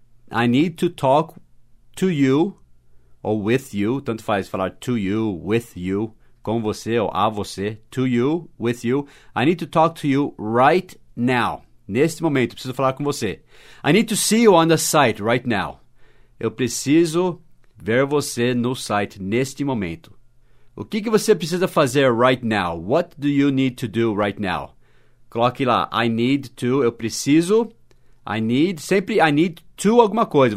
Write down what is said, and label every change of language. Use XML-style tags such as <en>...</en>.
<en>I need to talk to you or with you.</en> <pt>Tanto faz falar</pt> <en>to you, with you,</en> <pt>com você ou a você.</pt> <en>To you, with you. I need to talk to you right now.</en> <pt>Neste momento, preciso falar com você.</pt> <en>I need to see you on the site right now.</en> <pt>Eu preciso ver você no site neste momento. O que, que você precisa fazer</pt> <en>right now? What do you need to do right now?</en> <pt>Coloque lá.</pt> <en>I need to.</en> <pt>Eu preciso.</pt> <en>I need,</en> <pt>sempre</pt> <en>I need to</en> <pt>alguma coisa.</pt>